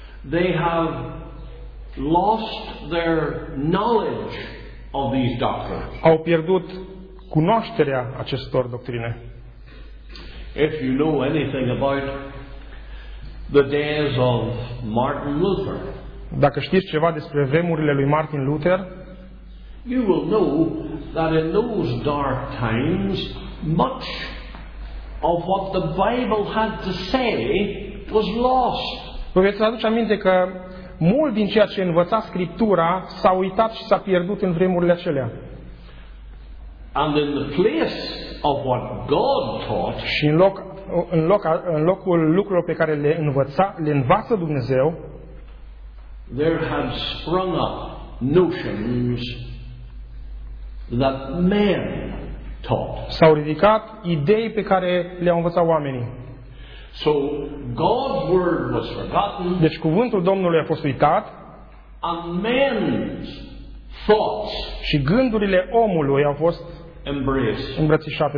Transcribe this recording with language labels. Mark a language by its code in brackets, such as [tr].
[en] They have lost their knowledge of these doctrines. [ro] Au pierdut cunoașterea acestor doctrine. [en] If you know anything about the days of Martin Luther. [ro] Dacă știți ceva despre vremurile lui Martin Luther, [en] you will know that in those dark times much of what the Bible had to say was lost. [ro] Vă veți aduce aminte că mult din ceea ce învăța Scriptura s-a uitat și s-a pierdut în vremurile acelea. [en] And in the place of what God taught, [ro] și în locul lucrurilor pe care le învață Dumnezeu, [en] there had sprung up notions that men taught. [ro] S-au ridicat idei pe care le-au învățat oamenii. [en] So God's word was forgotten. [ro] Deci cuvântul Domnului a fost uitat. [en] And men's thoughts. [ro] Și gândurile omului au fost îmbrățișate